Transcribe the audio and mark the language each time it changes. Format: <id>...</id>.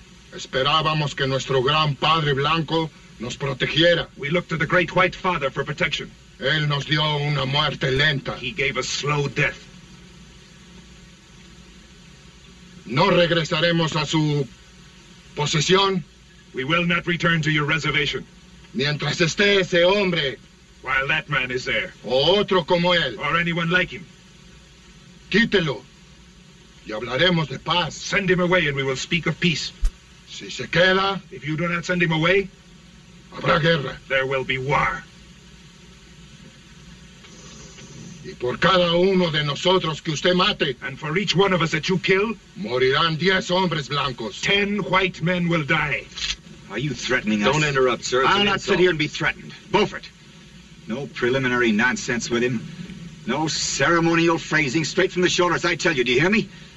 <es>Esperábamos que nuestro gran padre blanco nos protegiera.</es> <en>We looked to the great white father for protection.</en> <es>Él nos dio una muerte lenta.</es> <en>He gave a slow death.</en> <es>No regresaremos a su posesión.</es> <en>We will not return to your reservation.</en> <es>Mientras esté ese hombre.</es> <en>While that man is there.</en> <es>O otro como él.</es> <en>Or anyone like him.</en> <es>Quítelo. Y hablaremos de paz.</es> <en>Send him away and we will speak of peace.</en> <es>Si se queda.</es> <en>If you do not send him away.</en> <es>Habrá guerra.</es> <en>There will be war.</en> <es>Y por cada uno de nosotros que usted mate.</es> <en>And for each one of us that you kill.</en> <es>Morirán 10 hombres blancos.</es> <en>10 white men will die. Are you threatening us? Don't interrupt, sir. I'll not sit here and be threatened. Beaufort. No preliminary nonsense with him. No ceremonial phrasing. Straight from the shoulders, I tell you. Do you hear me?</en>